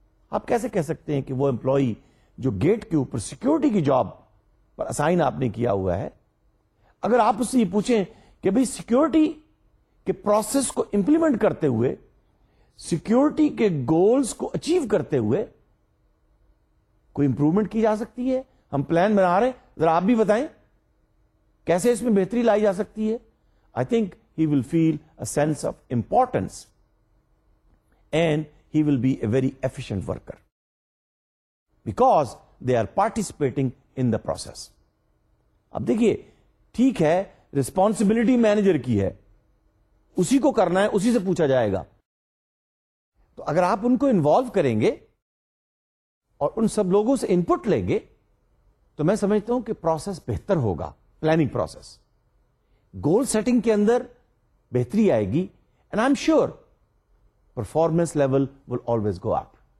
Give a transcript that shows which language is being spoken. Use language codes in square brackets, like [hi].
[ur] آپ کیسے کہہ سکتے ہیں کہ وہ امپلائی جو گیٹ کے اوپر سیکیورٹی کی جاب پر اسائن آپ نے کیا ہوا ہے، اگر آپ اس سے یہ پوچھیں کہ بھئی سیکیورٹی کے پروسیس کو امپلیمنٹ کرتے ہوئے، سیکیورٹی کے گولز کو اچیو کرتے ہوئے کوئی امپروومنٹ کی جا سکتی ہے؟ ہم پلان بنا رہے ہیں، ذرا آپ بھی بتائیں کیسے اس میں بہتری لائی جا سکتی ہے. [en] I think he will feel a sense of importance and he will be a very efficient worker because they are participating in the process. [ur] اب دیکھیے، ٹھیک ہے، ریسپانسبلٹی مینیجر کی ہے، اسی کو کرنا ہے، اسی سے پوچھا جائے گا. تو اگر آپ ان کو انوالو کریں گے اور ان سب لوگوں سے ان پٹ لیں گے تو میں سمجھتا ہوں کہ پروسیس بہتر ہوگا، پلاننگ پروسیس، گول سیٹنگ کے اندر بہتری آئے گی، [en] And I'm sure performance level will always go up.